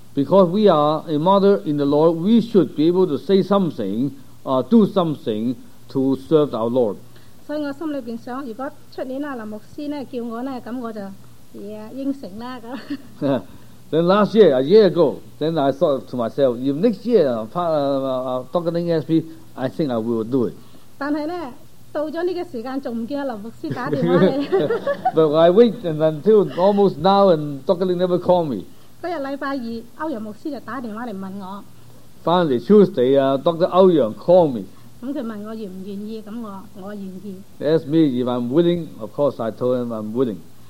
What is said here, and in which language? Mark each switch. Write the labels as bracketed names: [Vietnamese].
[English] Because we are a mother in the Lord, we should be able to say something, do something to serve our Lord. [Chinese] 所以我心裏面想,如果明年林牧師叫我,那我就...Yeah, [English] then last year, a year ago, then I thought to myself, if next year Dr. Ling asked me, I think I will do it. [Chinese] 但是呢,到了这个时间,还不见林牧师打电话来。 [English] But I wait until almost now and Dr. Ling never called me. [Chinese] 那天星期二,欧阳牧师就打电话来问我。 [English] Finally, Tuesday, Dr. 欧阳 called me. [Chinese] 他问我愿不愿意,我愿意。 [English] They asked me if I'm willing, of course I told him I'm willing.